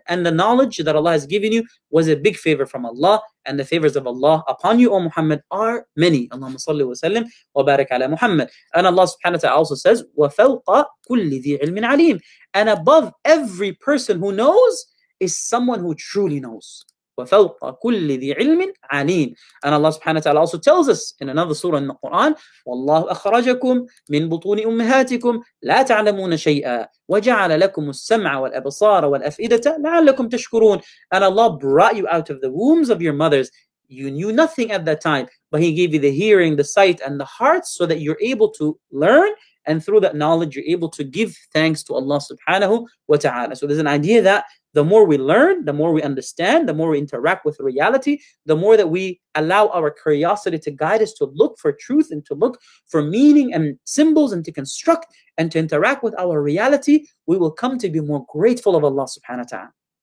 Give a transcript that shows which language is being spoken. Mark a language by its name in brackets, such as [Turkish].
[English] And the knowledge that Allah has given you was a big favor from Allah. And the favors of Allah upon you, O Muhammad, are many. Allahumma salli wa sallim wa barik ala Muhammad. And Allah subhanahu wa ta'ala also says, [Arabic] وَفَوْقَ كُلِّ ذِي عِلْمٍ عَلِيمٍ. [English] And above every person who knows is someone who truly knows. [Arabic] وَفَوْقَ كُلِّ ذِي عِلْمٍ عَلِيمٍ. [English] And Allah subhanahu wa ta'ala also tells us in another surah in the Quran, [Arabic] وَاللَّهُ أَخْرَجَكُمْ مِنْ بُطُونِ أُمِّهَاتِكُمْ لَا تَعْلَمُونَ شَيْئًا وَجَعَلَ لَكُمُ السَّمْعَ وَالْأَبْصَارَ وَالْأَفْئِدَةَ لَعَلَّكُمْ تَشْكُرُونَ. [English] And Allah brought you out of the wombs of your mothers. You knew nothing at that time, but He gave you the hearing, the sight, and the heart so that you're able to learn. And through that knowledge, you're able to give thanks to Allah subhanahu wa ta'ala. So there's an idea that the more we learn, the more we understand, the more we interact with reality, the more that we allow our curiosity to guide us to look for truth and to look for meaning and symbols and to construct and to interact with our reality, we will come to be more grateful of Allah subhanahu wa ta'ala.